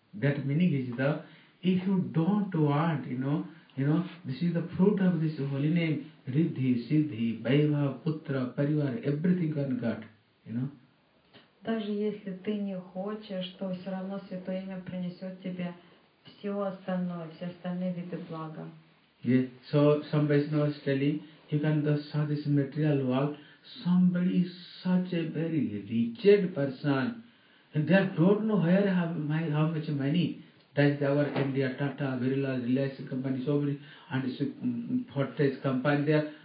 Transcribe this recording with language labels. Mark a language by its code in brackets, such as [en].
[en] That meaning is the, if you don't want, you know, this is the fruit of this holy name, Riddhi, Siddhi, Baiva, Putra, Parivara, everything can get, you know. [ru] Даже если ты не хочешь, то все равно Святое Имя принесет тебе все остальные виды блага. [en] Yes, so some Vaishnava is telling, you can just saw this material world, somebody is such a very wretched person, and they don't know where how much money. That is our India, Tata, Virila, Reliance Company, so many, and Fortress Company there.